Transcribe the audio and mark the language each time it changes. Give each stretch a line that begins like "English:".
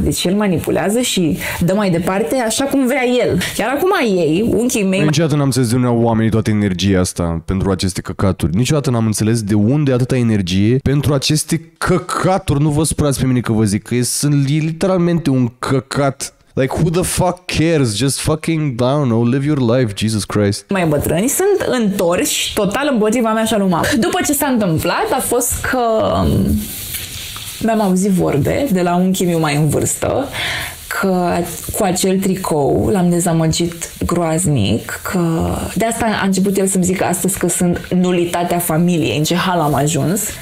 Romanian: Deci el manipulează și dă mai departe așa cum vrea el. Iar acum ei, unchii mei... Niciodată n-am înțeles de unde au oamenii toată energia asta pentru aceste căcaturi. Niciodată n-am înțeles de unde atâta energie pentru aceste căcaturi. Nu vă supărați pe mine că vă zic că sunt literalmente un căcat...
English: Like, who the fuck cares? Just fucking, I don't know, live your life, Jesus Christ.
Romanian: Mai bătrâni sunt întorși total împotriva mea și a lui mama. După ce s-a întâmplat, a fost că mi-am auzit vorbe de la unchii meu mai în vârstă că cu acel tricou l-am dezamăgit groaznic, că de asta a început el să-mi zică astăzi că sunt nulitatea familiei, în ce hal am ajuns.